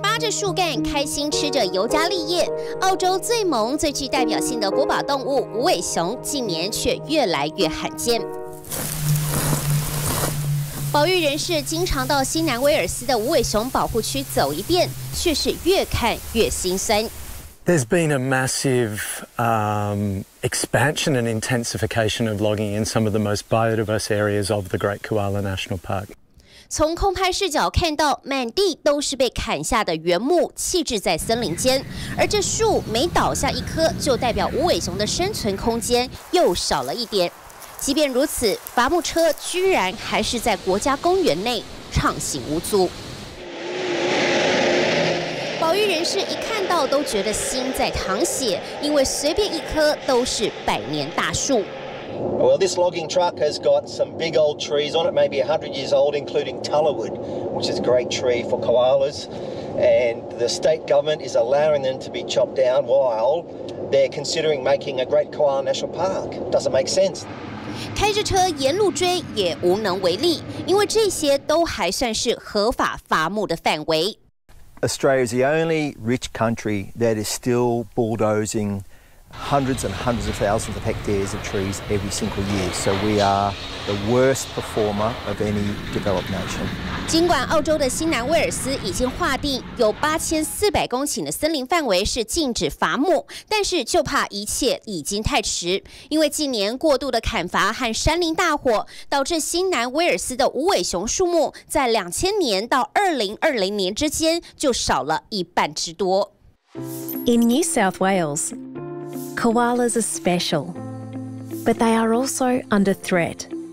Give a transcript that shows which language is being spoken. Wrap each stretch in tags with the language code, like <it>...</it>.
<zh>树干开心吃着尤加利叶，澳洲最萌最具代表性的国宝动物无尾熊近年却越来越罕见。保育人士经常到新南威尔斯的无尾熊保护区走一遍，却是越看越心酸。</zh> <en>There's been a massive expansion and intensification of logging in some of the most biodiverse areas of the Great Koala National Park.</en> <zh>从空拍视角看到，满地都是被砍下的原木，弃置在森林间。而这树每倒下一棵，就代表无尾熊的生存空间又少了一点。即便如此，伐木车居然还是在国家公园内畅行无阻。保育人士一看到都觉得心在淌血，因为随便一棵都是百年大树。</zh> <en>Well, this logging truck has got some big old trees on it, maybe 100 years old, including tullawood, which is a great tree for koalas. And the state government is allowing them to be chopped down while they're considering making a Great Koala National Park. Doesn't make sense.</en> <zh>开着车沿路追也无能为力，因为这些都还算是合法伐木的范围。</zh> <en>Australia is the only rich country that is still bulldozing. Hundreds and hundreds of thousands of hectares of trees every single year. So we are the worst performer of any developed nation.</en> <zh>尽管澳洲的新南威尔斯已经划定有8400公顷的森林范围是禁止伐木，但是就怕一切已经太迟，因为近年过度的砍伐和山林大火，导致新南威尔斯的无尾熊树木在2000年到2020年之间就少了一半之多。</zh> <en>In New South Wales. Koalas are special, but they are also under threat.</en>